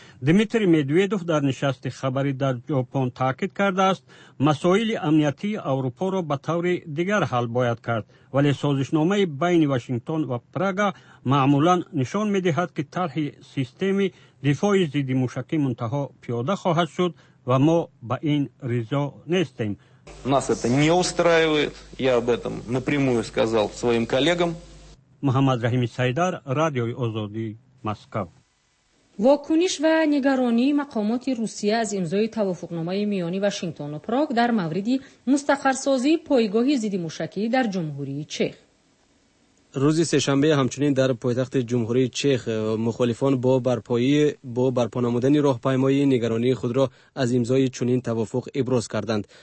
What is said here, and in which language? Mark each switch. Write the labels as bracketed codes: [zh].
[fa] دیمیتری مدویدوف در نشست خبری در ژاپن تاکید کرده است مسائل امنیتی اروپا را به طور دیگر حل باید کرد، ولی سازشنامه بین واشنگتن و پراگا معمولا نشان می‌دهد که طرح سیستم دفاع ضد موشکی منتها پیاده خواهد شد و ما به این رضا نیستیم. [ru] Нас это не устраивает. Я об этом напрямую сказал своим коллегам. Мухаммад Рахими Сайдар, Радио Озоди, Москва. [fa] واکنش و نگرانی مقامات روسیه از امضای توافقنامه میانی واشنگتن و پراگ در مورد مستقرسازی پایگاه ضد موشکی در جمهوری چخ. روز سه‌شنبه همچنین در پایتخت جمهوری چخ مخالفان با برپا نمودن راهپیمایی نگرانی خود را از امضای چنین توافق ابراز کردند.